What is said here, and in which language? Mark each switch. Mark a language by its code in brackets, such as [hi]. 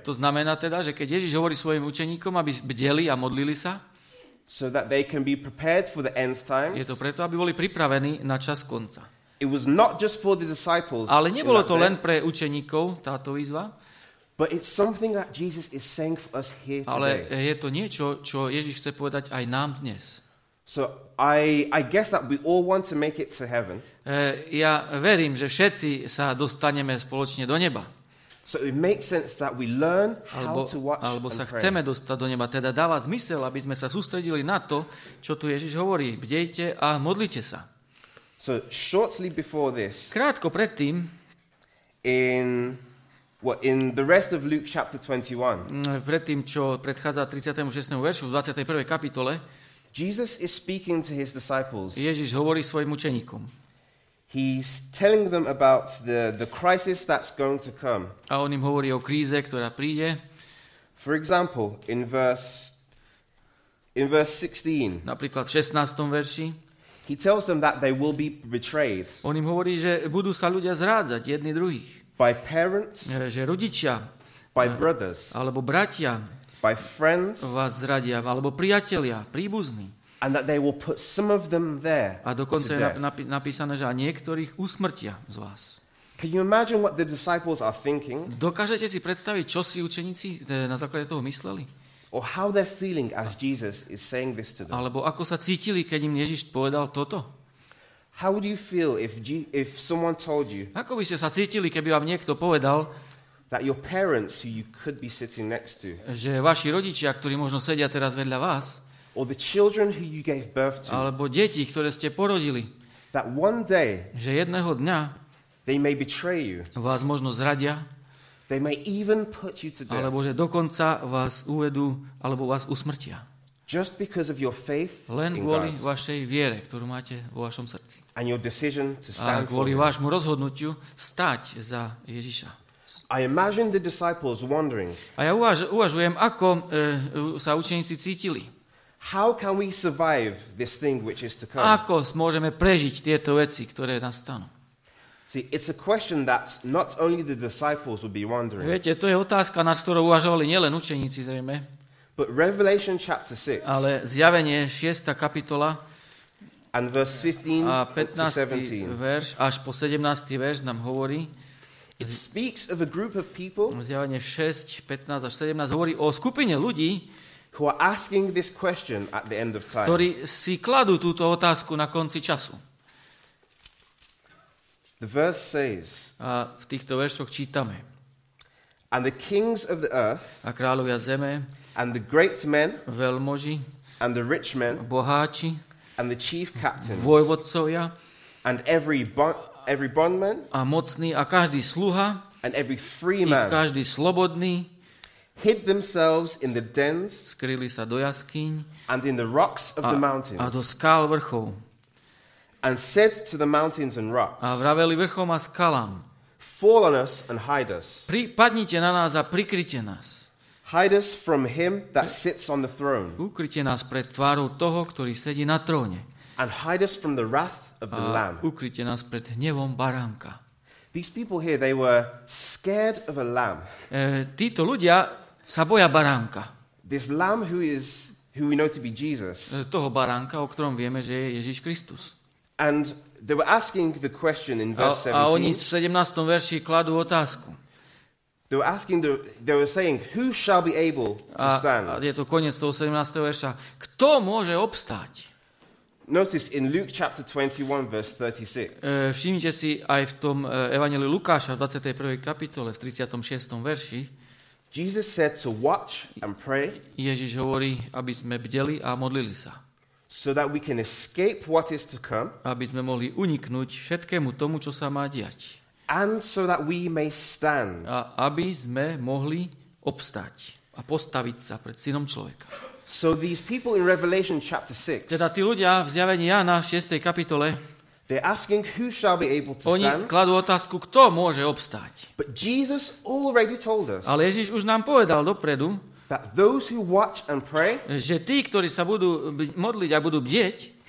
[sk] to znamená teda, že keď Ježiš hovorí svojim učeníkom, aby bdeli a modlili sa, [en] so that they can be prepared for the end times. [sk] Je to preto, aby boli pripravení na čas konca. [en] It was not just for the disciples. [sk] Ale nebolo to len pre učeníkov táto výzva. [en] But it's something that Jesus is saying for us here today. [sk] Ale je to niečo, čo Ježiš chce povedať aj nám dnes. [en] So I guess that we all want to make it to heaven. [sk] Ja verím, že všetci sa dostaneme spoločne do neba. [en] So it makes sense that we learn how to watch and pray. [sk] Alebo sa chceme dostať do neba, teda dáva zmysel, aby sme sa sústredili na to, čo tu Ježiš hovorí. Bdejte a modlite sa. [en] So shortly before this, [sk] krátko predtým, [en] in the rest of Luke chapter 21, [sk] predtým, čo predchádza 36. veršu v 21. kapitole, [en] Jesus is speaking to his disciples. [sk] Ježiš hovorí svojim učeníkom. [en] He's telling them about the crisis that's going to come. [sk] A on im hovorí o kríze, ktorá príde. [en] For example, in verse 16. [sk] Napríklad v 16. verši. [en] He tells them that they will be betrayed. [sk] On im hovorí, že budú sa ľudia zrádzať jedni druhých. [en] By parents. [sk] Že rodičia. [en] By brothers. [sk] Alebo bratia. [en] By friends. [sk] Vás zradia, alebo priatelia, príbuzní. [en] And that they will put some of them there. [sk] A dokonca je napísané, že a niektorých usmrtia z vás. [en] Can you imagine what the disciples are thinking? [sk] Dokážete si predstaviť, čo si učeníci na základe toho mysleli? [en] Or how they're feeling as Jesus is saying this to them? [sk] Alebo ako sa cítili, keď im Ježiš povedal toto? [en] How would you feel if someone told you? [sk] Ako by ste sa cítili, keby vám niekto povedal, [en] that your parents who you could be sitting next to, [sk] že vaši rodičia, ktorí možno sedia teraz vedľa vás, [en] or the children who you gave birth to, [sk] alebo deti, ktoré ste porodili, [en] that one day, [sk] že jedného dňa, [en] they may betray you, [sk] vás možno zradia, [en] they may even put you to death, [sk] alebo že dokonca vás uvedú alebo vás usmrtia, [en] just because of your faith, [sk] len kvôli vašej viere, ktorú máte vo vašom srdci, [en] and your decision to stand, [sk] a kvôli vášmu rozhodnutiu stať za Ježiša. [en] I imagine the disciples wondering, [sk] a ja uvažujem, ako sa učeníci cítili. [en] How can we survive this thing which is to come? [sk] Ako môžeme prežiť tieto veci, ktoré nastanú? [en] See, it's a question that not only the disciples would be wondering. [sk] Viete, to je otázka, nad ktorou uvažovali nielen učeníci zrejme. [en] But Revelation chapter 6. [sk] Ale Zjavenie 6. kapitola. [en] And verse 15 to 17. [sk] Verš až po 17. verš nám hovorí. [en] It speaks of a group of people. [sk] Zjavenie 6, 15 až 17 hovorí o skupine ľudí, [en] who are asking this question at the end of time. [sk] Ktorí si kladú túto otázku na konci času. [en] The verse says, [sk] a v týchto veršoch čítame. [en] And the kings of the earth, [sk] a kráľovia zeme, [en] and the great men, [sk] veľmoži, [en] and the rich men, [sk] boháči, [en] and the chief captains, [sk] vojvodcovia, [en] and every bondman, [sk] a mocný a každý sluha, [en] and every free man, [sk] i každý slobodný, [en] hid themselves in the dens, [sk] skrýli sa do jaskýň, [en] and in the rocks of the mountains, [sk] a do skál vrchov, [en] and said to the mountains and rocks, [sk] a vraveli vrchom a skalám, [en] fall on us and hide us, [sk] padnite na nás a prikryte nás, [en] hide us from him that sits on the throne, [sk] ukryte nás pred tvárou toho, ktorý sedí na tróne, [en] and hide us from the wrath of the lamb. [sk] Ukryte nás pred hnevom baránka. [en] These people here, they were scared of a lamb. [sk] Títo ľudia sa boja baránka. [en] This lamb who we know to be Jesus. [sk] Toho baránka, o ktorom vieme, že je Ježiš Kristus. [en] And they were asking the question in verse 17. [sk] A oni v 17. verši kladú otázku. [en] They were asking they were saying who shall be able to stand. [sk] A je to koniec toho 17. verša. Kto môže obstáť? [en] Notice in Luke chapter 21 verse 36. [sk] Všimnite si aj v tom evanjeliu Lukáša v 21. kapitole v 36. verši. [en] Jesus said to watch and pray. [sk] Ježiš hovorí, aby sme bdeli a modlili sa. [en] So that we can escape what is to come. [sk] Aby sme mohli uniknúť všetkému tomu, čo sa má diať. [en] And so that we may stand. [sk] A aby sme mohli obstať a postaviť sa pred Synom človeka. [en] So these people in Revelation chapter 6. [sk] Teda tí ľudia v zjavení Jána v 6. kapitole. [en] They're asking who shall be able to stand. [sk] Oni kladú otázku, kto môže obstať. [en] But Jesus already told us. [sk] Ale Ježiš už nám povedal dopredu. [en] That those who watch and pray. [sk] Že tí, ktorí sa budú modliť a budú bdieť.